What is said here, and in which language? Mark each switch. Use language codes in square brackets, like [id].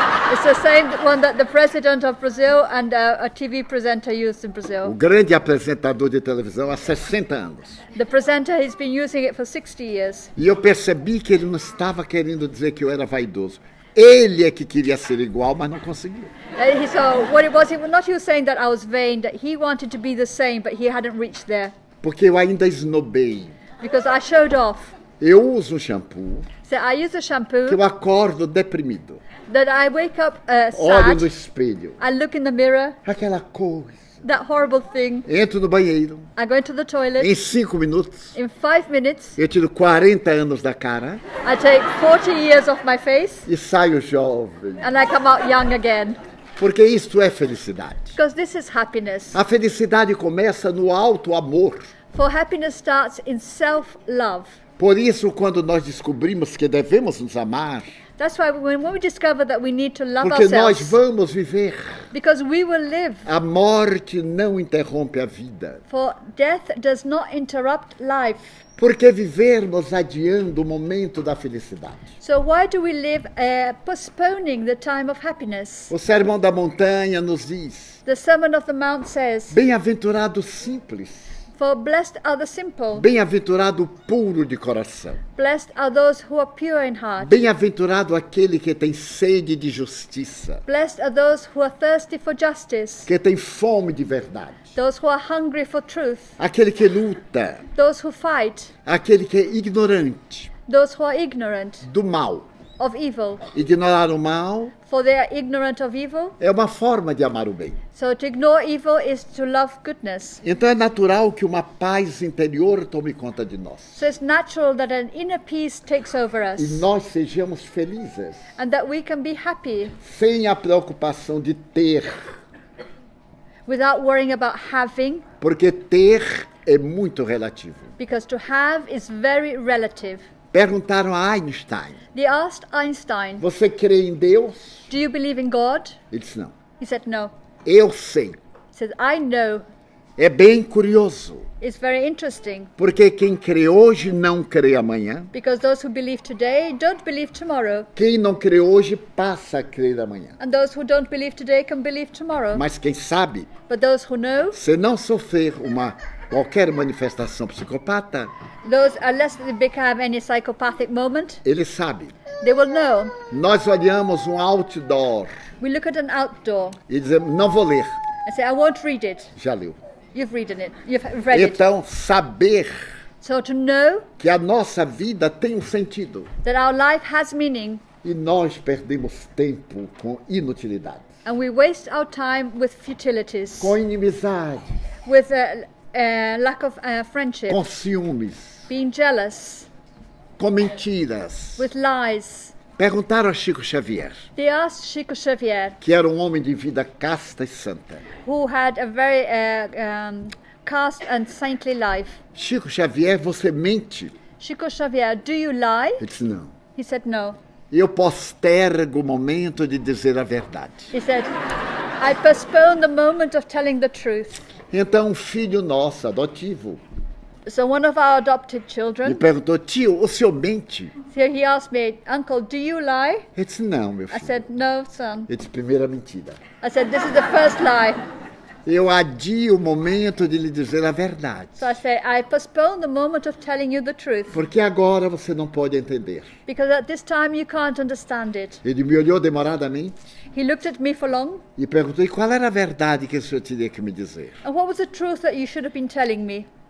[en] It's the same one that the president of Brazil and a TV presenter used in Brazil. [pt] O grande apresentador de televisão há 60 anos. [en] The presenter has been using it for 60 years. [pt] E eu percebi que ele não estava querendo dizer que eu era vaidoso. Ele é que queria ser igual, mas não conseguiu. [en] So what it was, not he was saying that I was vain, that he wanted to be the same, but he hadn't reached there. [pt] Porque eu ainda esnobei. [en] Because I showed off. [pt] Eu uso shampoo. [en] So I use a shampoo. [pt] Que eu acordo deprimido. [en] That I wake up sad. [pt] Olho no espelho. [en] I look in the mirror. [pt] Aquela coisa. [en] That horrible thing. [pt] Entro no banheiro. [en] I go into the toilet. [pt] Em 5 minutos. [en] In 5 minutes. [pt] Eu tiro 40 anos da cara. [en] I take 40 years off my face. [pt] E saio jovem. [en] And I come out young again. [pt] Porque isto é felicidade. [en] Because this is happiness. [pt] A felicidade começa no alto amor. [en] For happiness starts in self-love. [pt] Por isso, quando nós descobrimos que devemos nos amar. [en] That's why when we discover that we need to love [pt] porque [en] ourselves. [pt] Nós vamos viver. [en] Because we will live. [pt] A morte não interrompe a vida. [en] For death does not interrupt life. [pt] Porque vivermos adiando o momento da felicidade. [en] So why do we live postponing the time of happiness? [pt] O Sermão da Montanha nos diz. [en] The Sermon of the Mount says. [pt] Bem-aventurado simples. [en] For blessed are the simple. [pt] Bem-aventurado puro de coração. [en] Blessed are those who are pure in heart. [pt] Bem-aventurado aquele que tem sede de justiça. [en] Blessed are those who are thirsty for justice. [pt] Que tem fome de verdade. [en] Those who are hungry for truth. [pt] Aquele que luta. [en] Those who fight. [pt] Aquele que é ignorante. [en] Those who are ignorant. [pt] Do mal. [en] Of evil. [pt] Ignorar o mal. [en] For they are ignorant of evil. [pt] É uma forma de amar o bem. [en] So to ignore evil is to love goodness. [pt] Então é natural que uma paz interior tome conta de nós. [en] So it's natural that an inner peace takes over us. [pt] E nós sejamos felizes. [en] And that we can be happy. [pt] Sem a preocupação de ter. [en] Without worrying about having. [pt] Porque ter é muito relativo. [en] Because to have is very relative. [pt] Perguntaram a Einstein. [en] They asked Einstein. [pt] Você crê em Deus? [en] Do you believe in God? [pt] Ele disse não. [en] He said no. [pt] Eu sei. [en] He says I know. [pt] É bem curioso. [en] It's very interesting. [pt] Porque quem crê hoje não crê amanhã. [en] Because those who believe today don't believe tomorrow. [pt] Quem não crê hoje passa a crer amanhã. [en] And those who don't believe today can believe tomorrow. [pt] Mas quem sabe? [en] But those who know. [pt] Se não sofrer uma qualquer manifestação psicopata. [en] Those unless they become any psychopathic moment. [pt] Ele sabe. [en] They will know. [pt] Nós olhamos um outdoor. [en] We look at an outdoor. [pt] E dizemos não vou ler. [en] I say I won't read it. [pt] Já leu. [en] You've read it. You've read it. [pt] Então, saber [en] so to know [pt] que a nossa vida tem um sentido. [en] That our life has meaning. [pt] E nós perdemos tempo com inutilidade. [en] And we waste our time with futilities. [pt] Com inimizade. [en] With a lack of friendship. [pt] Com ciúmes. [en] Being jealous. [pt] Com mentiras. [en] With lies. [pt] Perguntaram a Chico Xavier. [en] They asked Chico Xavier. [pt] Que era um homem de vida casta e santa. [en] Who had a very caste and saintly life. [pt] Chico Xavier, você mente? [en] Chico Xavier, do you lie? [pt] Ele disse não. [en] He said no. [pt] Eu postergo o momento de dizer a verdade. [en] He said, I postpone the moment of telling the truth. [pt] Então, um filho nosso, adotivo. [en] So one of our adopted children. [pt] Me perguntou, tio, o senhor mente? [en] So he asked me, uncle, do you lie? [pt] Ele disse, não, meu filho. [en] I said, no, son. [pt] Ele disse, primeira mentira. [en] I said, this is the first lie. [pt] Eu adio o momento de lhe dizer a verdade. [en] So I say, I postpone the moment of telling you the truth. [pt] Porque agora você não pode entender. [en] Because at this time you can't understand it. [pt] Ele me olhou demoradamente. [en] He looked at me for long. [pt] E perguntou, e qual era a verdade que o senhor teria que me dizer? [en] And what was the truth that you should have been telling me?